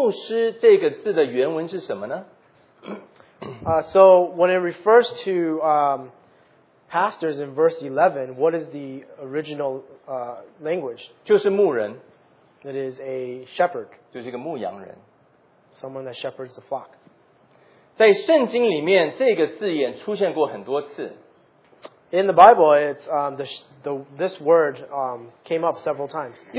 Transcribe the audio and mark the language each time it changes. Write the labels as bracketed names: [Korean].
[Chinese] 那在第十一节里面翻译成牧师这个字的原文是什么呢？ [English] So when it refers to pastors in verse 11, what is the original language? [Chinese] 就是牧人。 [English] It is a shepherd. [Chinese] 就是一个牧羊人。 [English] Someone that shepherds the flock. [Chinese] 在圣经里面，这个字眼出现过很多次。 [English] In the Bible, it's this word came up several times.